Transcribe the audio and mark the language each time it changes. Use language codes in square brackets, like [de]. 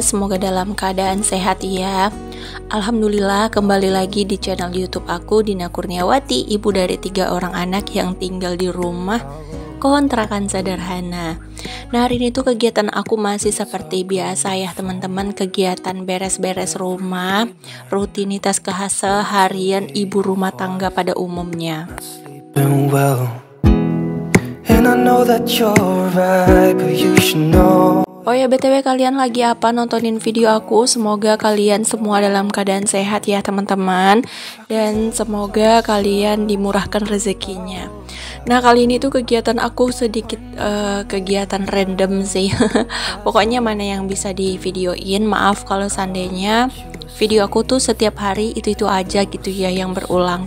[id] Semoga dalam keadaan sehat ya. Alhamdulillah, kembali lagi di channel YouTube aku, Dina Kurniawati, ibu dari 3 orang anak yang tinggal di rumah kontrakan sederhana. Nah, hari ini tuh kegiatan aku masih seperti biasa ya teman-teman, kegiatan beres-beres rumah, rutinitas keseharian ibu rumah tangga pada umumnya. [en] And I know that you're right, but you should know. [id] Oh ya, BTW kalian lagi apa nontonin video aku? Semoga kalian semua dalam keadaan sehat ya teman-teman, dan semoga kalian dimurahkan rezekinya. Nah, kali ini tuh kegiatan aku sedikit kegiatan random sih. Pokoknya mana yang bisa divideoin, maaf kalau seandainya video aku tuh setiap hari itu-itu aja gitu ya yang berulang.